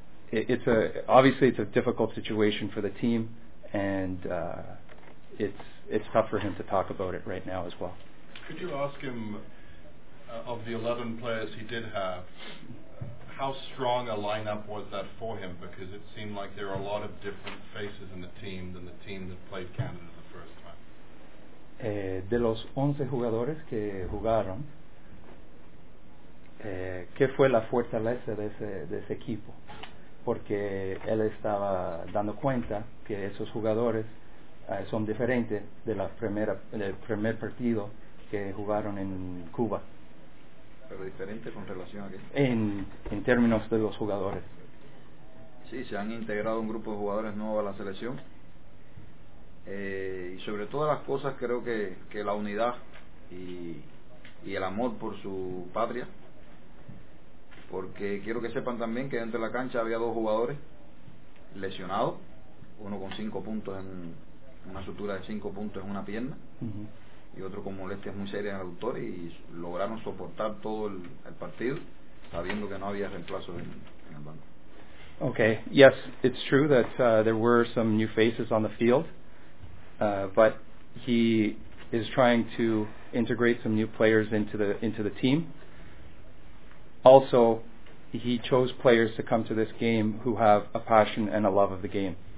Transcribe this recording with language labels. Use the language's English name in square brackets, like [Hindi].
[English] it's a difficult situation for the team, and it's tough for him to talk about it right now as well. Could you ask him, of the 11 players he did have, how strong a lineup was that for him? Because it seemed like there are a lot of different faces in the team than the team that played Canada the first time. [Spanish] De los 11 jugadores que jugaron, ¿qué fue la fortaleza de ese equipo? Porque él estaba dando cuenta que esos jugadores son diferentes del primer partido que jugaron en Cuba. ¿Pero diferente con relación a qué? En términos de los jugadores. Sí, se han integrado un grupo de jugadores nuevos a la selección. Y sobre todas las cosas, creo que la unidad y el amor por su patria. Porque quiero que sepan también que dentro de la cancha había dos jugadores lesionados, uno con cinco puntos en una sutura de cinco puntos en una pierna. Uh-huh. y otro con molestias muy serias en el aductor, y lograron soportar todo el partido sabiendo que no había reemplazo en el banco. [English] Okay, yes, it's true that there were some new faces on the field, but he is trying to integrate some new players into the team. Also, he chose players to come to this game who have a passion and a love of the game.